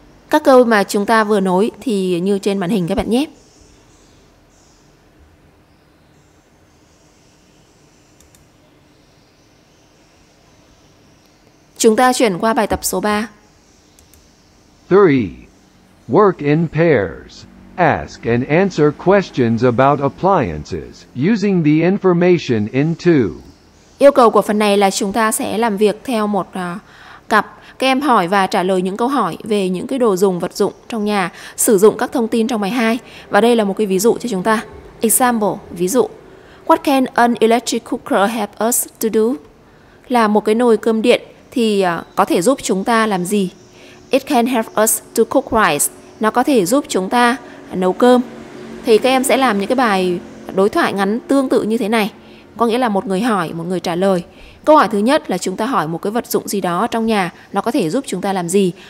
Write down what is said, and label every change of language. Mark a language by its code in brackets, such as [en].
[vi] Các câu mà chúng ta vừa nối thì như trên màn hình các bạn nhé. Chúng ta chuyển qua bài tập số 3. [en] 3. Work in pairs. Ask and answer questions about appliances using the information in 2. [vi] Yêu cầu của phần này là chúng ta sẽ làm việc theo một cặp. Các em hỏi và trả lời những câu hỏi về những cái đồ dùng vật dụng trong nhà, sử dụng các thông tin trong bài 2. Và đây là một cái ví dụ cho chúng ta. Example, ví dụ. [en] What can an electric cooker help us to do? [vi] Là một cái nồi cơm điện thì có thể giúp chúng ta làm gì? [en] It can help us to cook rice. [vi] Nó có thể giúp chúng ta nấu cơm. Thì các em sẽ làm những cái bài đối thoại ngắn tương tự như thế này. Có nghĩa là một người hỏi, một người trả lời. Câu hỏi thứ nhất là chúng ta hỏi một cái vật dụng gì đó trong nhà, nó có thể giúp chúng ta làm gì.